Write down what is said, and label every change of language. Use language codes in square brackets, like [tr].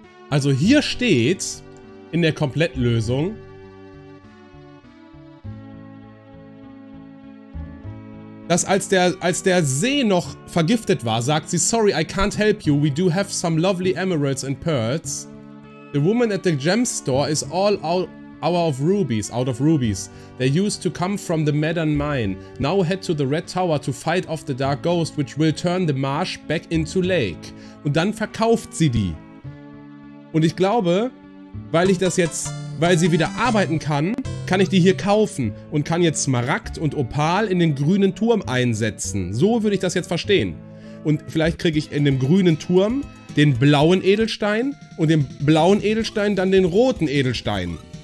[de] Also hier steht in der Komplettlösung, dass als der See noch vergiftet war, sagt sie, [en] sorry, I can't help you, we do have some lovely emeralds and pearls. The woman at the gem store is all out of rubies. They used to come from the Madden Mine. Now head to the Red Tower to fight off the Dark Ghost, which will turn the marsh back into lake. [de] Und dann verkauft sie die. Und ich glaube, weil sie wieder arbeiten kann, kann ich die hier kaufen und kann jetzt Smaragd und Opal in den grünen Turm einsetzen. So würde ich das jetzt verstehen. Und vielleicht kriege ich in dem grünen Turm den blauen Edelstein und dem blauen Edelstein dann den roten Edelstein.